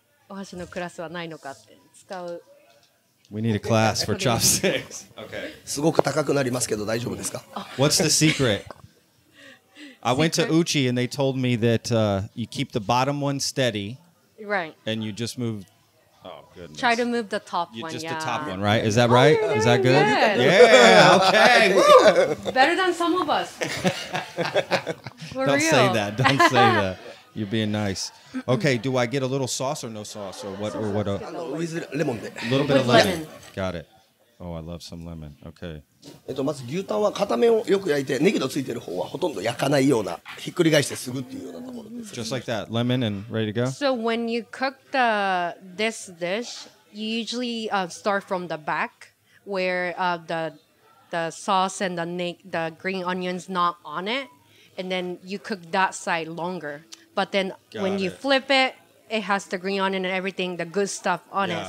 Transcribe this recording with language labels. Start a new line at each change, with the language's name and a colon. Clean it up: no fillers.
Japanese: お箸のクラスはないのかって使う。
English: We need a class for chopsticks. Okay.
Japanese: すごく高くなりますけど大丈夫ですか?
English: What's the secret? I went to Uchi and they told me that you keep the bottom one steady. Right. And you just move... Oh, goodness. Try to move the top one, just yeah. Just the top one, right? Is that right? Oh, is that good? Good. Yeah, okay. Woo! Better than some of us. Don't say that. You're being nice. Okay, do I get a little sauce or no sauce or what? Or what? With lemon. A little bit of lemon. Got it. Oh, I love some lemon. Okay.
Japanese: まず牛タンは片面をよく焼いて、ネギのついてる方はほとんど焼かないような、ひっくり返してすぐっていうようなところです。
English: Just like that, lemon and ready to go. So when you cook this dish, you usually start from the back where the sauce and the green onion's not on it, and then you cook that side longer. But then you flip it, it has the green onion and everything, the good stuff on it.